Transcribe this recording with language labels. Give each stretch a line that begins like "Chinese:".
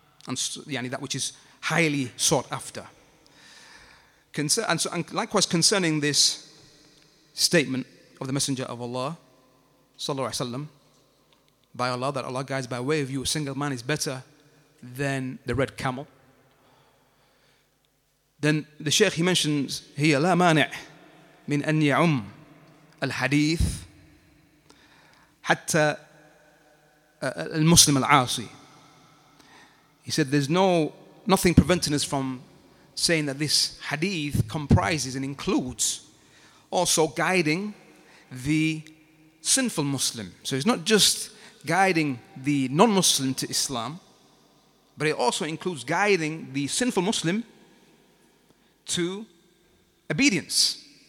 English: And yani that which is highly sought after. And likewise concerning this statement of the Messenger of Allah, sallallahu alaihi wasallam, by Allah, that Allah guides by way of you, a single man is better than the red camel. Then the Shaykh, he mentions here,
Arabic: لا مانع من أن يعم الحديث حتى المسلم العاصي.
English: He said, there's nothing preventing us from saying that this hadith comprises and includes also guiding the sinful Muslim. So it's not just guiding the non-Muslim to Islam, but it also includes guiding the sinful Muslim to obedience.